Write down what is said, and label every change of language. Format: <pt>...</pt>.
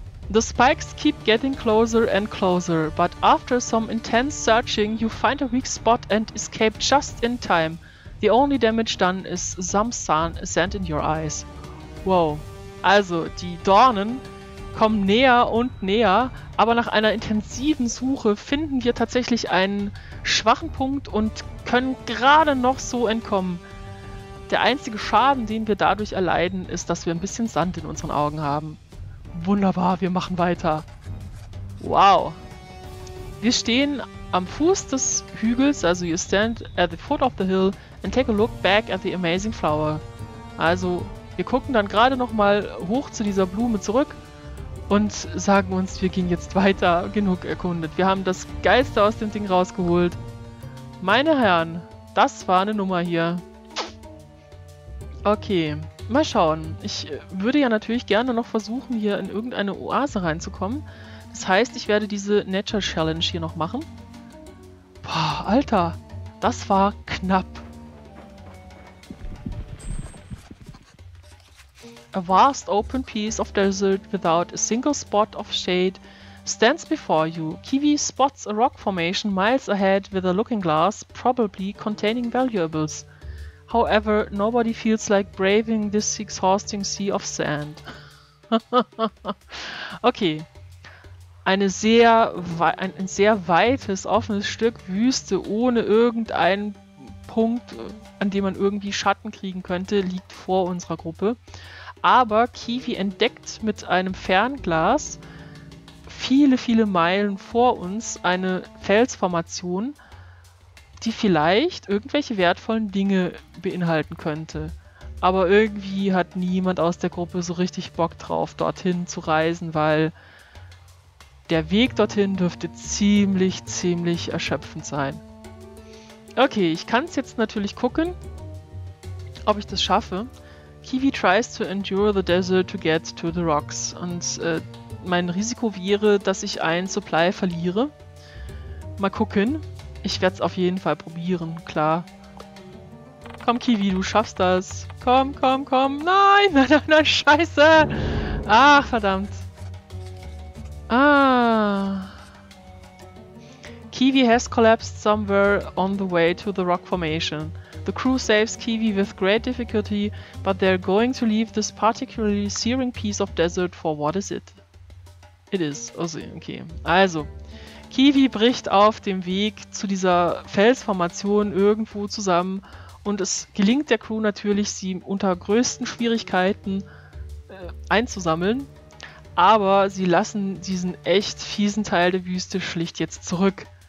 <en>The spikes keep getting closer and closer, but after some intense searching, you find a weak spot and escape just in time. The only damage done is some sand in your eyes. Wow.</en> <de>Also, die Dornen kommen näher und näher, aber nach einer intensiven Suche finden wir tatsächlich einen schwachen Punkt und können gerade noch so entkommen. Der einzige Schaden, den wir dadurch erleiden, ist, dass wir ein bisschen Sand in unseren Augen haben. Wunderbar, wir machen weiter. Wow. Wir stehen Am Fuß des Hügels, also</de> <en>you stand at the foot of the hill and take a look back at the amazing flower.</en> <de>Also, wir gucken dann gerade nochmal hoch zu dieser Blume zurück und sagen uns, wir gehen jetzt weiter, genug erkundet. Wir haben das Geiste aus dem Ding rausgeholt. Meine Herren, das war eine Nummer hier. Okay, mal schauen. Ich würde ja natürlich gerne noch versuchen, hier in irgendeine Oase reinzukommen. Das heißt, ich werde diese Nature Challenge hier noch machen. Boah, Alter, das war knapp.</de> <en>A vast open piece of desert without a single spot of shade stands before you. Kiwi spots a rock formation miles ahead with a looking glass, probably containing valuables. However, nobody feels like braving this exhausting sea of sand. Okay.</en> <de>Ein sehr weites, offenes Stück Wüste ohne irgendeinen Punkt, an dem man irgendwie Schatten kriegen könnte, liegt vor unserer Gruppe. Aber Kiwi entdeckt mit einem Fernglas viele, viele Meilen vor uns eine Felsformation, die vielleicht irgendwelche wertvollen Dinge beinhalten könnte. Aber irgendwie hat niemand aus der Gruppe so richtig Bock drauf, dorthin zu reisen, weil der Weg dorthin dürfte ziemlich, ziemlich erschöpfend sein. Okay, ich kann es jetzt natürlich gucken, ob ich das schaffe.</de> <en>Kiwi tries to endure the desert to get to the rocks.</en> <de>Und mein Risiko wäre, dass ich einen Supply verliere. Mal gucken. Ich werde es auf jeden Fall probieren, klar. Komm, Kiwi, du schaffst das. Komm, komm, komm. Nein, nein, nein, nein, scheiße. Ach, verdammt. Ah.</de> <en>Kiwi has collapsed somewhere on the way to the rock formation. The crew saves Kiwi with great difficulty, but they're going to leave this particularly searing piece of desert for what is it? It is. Also, okay.</en> <de>Also, Kiwi bricht auf dem Weg zu dieser Felsformation irgendwo zusammen und es gelingt der Crew natürlich, sie unter größten Schwierigkeiten einzusammeln, aber sie lassen diesen echt fiesen Teil der Wüste schlicht jetzt zurück.</de>